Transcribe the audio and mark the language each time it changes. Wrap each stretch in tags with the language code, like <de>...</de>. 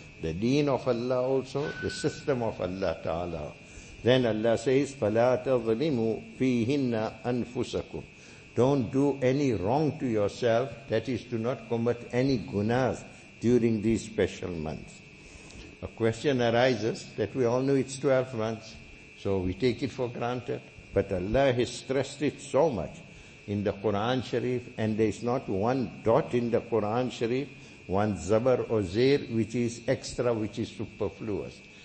<en>The deen of Allah also, the system of Allah Ta'ala. Then Allah says,</en> <ar>فَلَا تَظْلِمُوا فِيهِنَّ أَنفُسَكُمْ.</ar> <en>Don't do any wrong to yourself, that is, do not commit any gunas during these special months. A question arises that we all know it's 12 months, so we take it for granted. But Allah has stressed it so much in the Quran Sharif, and there's not one dot in the Quran Sharif, one zabar or zair, which is extra, which is superfluous.</en>